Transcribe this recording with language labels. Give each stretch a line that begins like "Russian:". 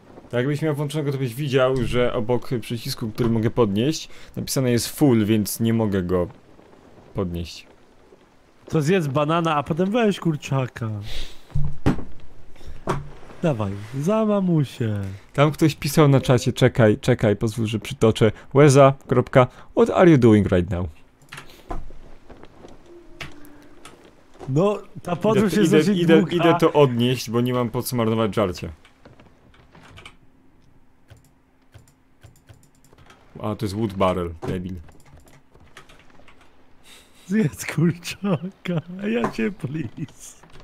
Polish: Tak, jakbyś miał włączonego, to byś widział, że obok przycisku, który mogę podnieść, napisane jest full, więc nie mogę go podnieść. To zjedz banana, a potem weź kurczaka. Dawaj, za mamusię. Tam ktoś pisał na czacie, czekaj, pozwól, że przytoczę. Łeza, kropka,
English: what are you doing right now?
Polish: No, ta podróż jest dosyć długa. Idę to odnieść, bo nie mam po co marnować żarcia. A, to jest wood barrel, debil. Zjedz kurczaka, ja cię please.